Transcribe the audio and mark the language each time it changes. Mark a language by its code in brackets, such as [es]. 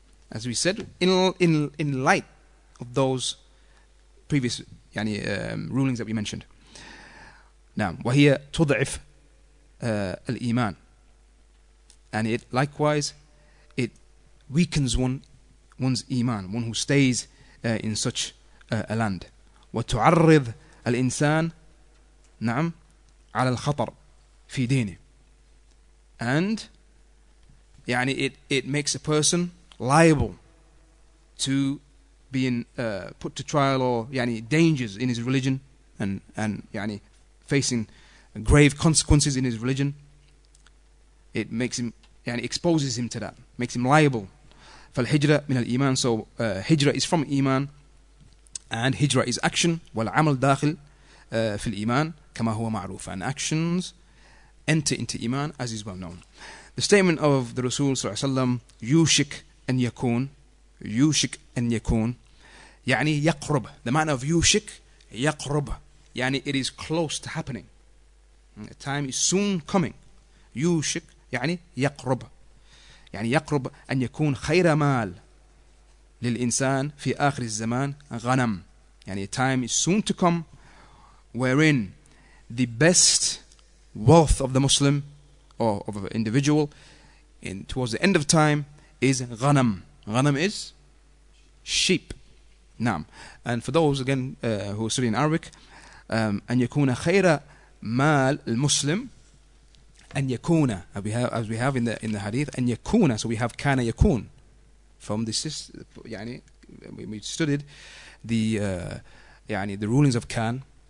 [en] As we said, in light of those previous rulings that we mentioned. [ar] Now, وهي تضعف الإيمان. [en] And it likewise, it weakens one's iman, one who stays in such a land. [ar] وتعرض الإنسان نعم على الخطر في دينه. [en] And يعني it makes a person liable to being put to trial or يعني dangers in his religion and يعني facing grave consequences in his religion. It makes him يعني exposes him to that, makes him liable. [ar] فالهجرة من الإيمان. [en] So هجرة is from إيمان, and هجرة is action. [ar] والعمل داخل في الإيمان كما هو معروف. [en] And actions enter into iman as is well known. The statement of the Rasul [ar] صلى الله عليه وسلم, يوشك أن يكون, يوشك أن يكون, يعني يقرب. [en] The man of [ar] يوشك يقرب, [en] يعني it is close to happening. The time is soon coming. [ar] يوشك يعني يقرب, يعني يقرب أن يكون خير مال للإنسان في آخر الزمان غنم. [en] يعني time is soon to come wherein the best wealth of the Muslim or of an individual in towards the end of time is ghanam. Ghanam is sheep. Naam. And for those again who are studying Arabic, [ar] an yakuna khayra mal al Muslim, [en] an yakuna, as we have in the hadith, an yakuna, so we have kana yakun from this, we studied the rulings of kan.